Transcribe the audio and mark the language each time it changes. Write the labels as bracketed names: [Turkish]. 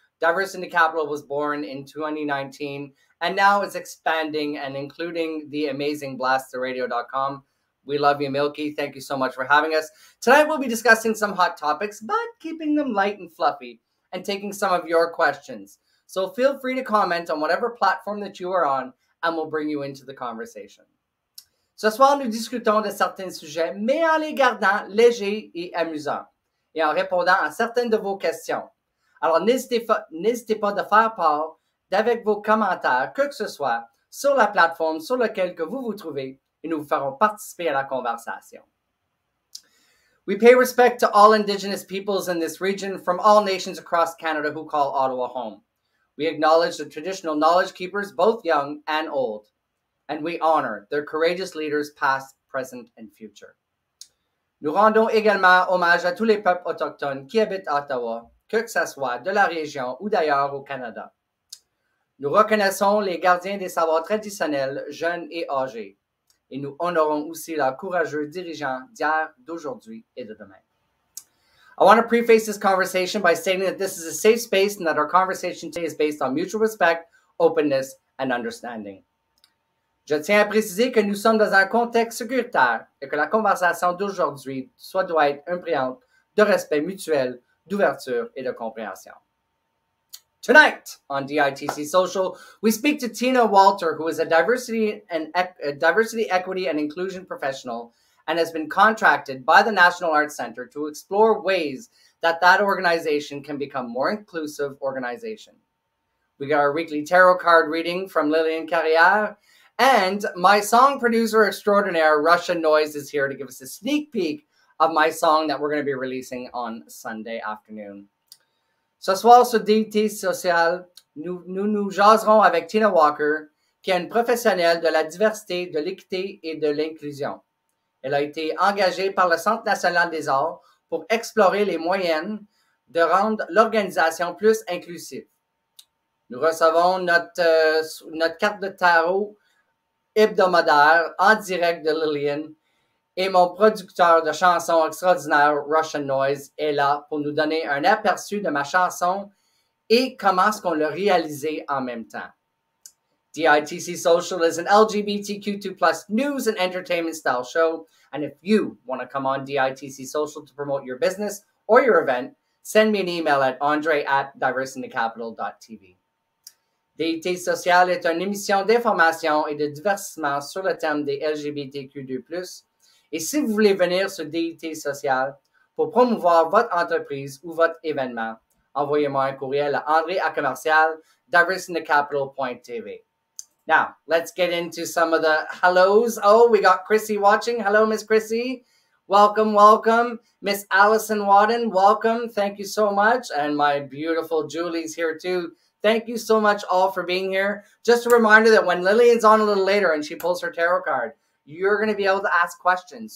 [English] Diverse Indie Capital was born in 2019, and now is expanding and including the amazing BlasterRadio.com. We love you, Milky. Thank you so much for having us. Tonight, we'll be discussing some hot topics, but keeping them light and fluffy and taking some of your questions. So feel free to comment on whatever platform that you are on and we'll bring you into the conversation. [French] Ce soir, nous discutons de certains sujets, mais en les gardant légers et amusants et en répondant à certaines de vos questions. Alors, n'hésitez pas de faire part d'avec vos commentaires, que ce soit sur la plateforme sur laquelle que vous vous trouvez. Et nous ferons participer à la conversation. [English] We pay respect to all Indigenous peoples in this region from all nations across Canada who call Ottawa home. We acknowledge the traditional knowledge keepers, both young and old, and we honor their courageous leaders past, present, and future. [French] Nous rendons également hommage à tous les peuples autochtones qui habitent Ottawa, que ce soit de la région ou d'ailleurs au Canada. Nous reconnaissons les gardiens des savoirs traditionnels, jeunes et âgés. Et nous honorons aussi la courageuse dirigeante d'hier, d'aujourd'hui et de demain. [English] I want to preface this conversation by stating that this is a safe space and that our conversation today is based on mutual respect, openness, and understanding. [French] Je tiens à préciser que nous sommes dans un contexte sécuritaire et que la conversation d'aujourd'hui doit être imprégnée de respect mutuel, d'ouverture et de compréhension. [English] Tonight on DITC Social, we speak to Tina Walter, who is a diversity, equity, and inclusion professional and has been contracted by the National Arts Center to explore ways that that organization can become more inclusive organization. We got our weekly tarot card reading from Lillian Carrière, and my song producer extraordinaire, Russian Noise, is here to give us a sneak peek of my song that we're going to be releasing on Sunday afternoon. [French] Ce soir sur DIT Social, nous jaserons avec Tina Walker, qui est une professionnelle de la diversité, de l'équité et de l'inclusion. Elle a été engagée par le Centre national des arts pour explorer les moyens de rendre l'organisation plus inclusive. Nous recevons notre carte de tarot hebdomadaire en direct de Lillian et mon producteur de chansons extraordinaire, Russian Noise, est là pour nous donner un aperçu de ma chanson et comment est-ce qu'on l'a réalisé en même temps. [English] DITC Social is an LGBTQ2+ news and entertainment style show, and if you want to come on DITC Social to promote your business or your event, send me an email at andre@diverseintocapital.tv. [French] DIT Social est une émission d'information et de divertissement sur le thème des LGBTQ2+, et si vous voulez venir sur DIT Social pour promouvoir votre entreprise ou votre événement, envoyez-moi un courriel à andre@commercial.diversityinthecapital.tv. [English] Now, let's get into some of the hellos. Oh, we got Chrissy watching. Hello, Miss Chrissy. Welcome. Miss Allison Wadden, welcome. Thank you so much. And my beautiful Julie's here too. Thank you so much all for being here. Just a reminder that when Lillian's on a little later and she pulls her tarot card, you're going to be able to ask questions.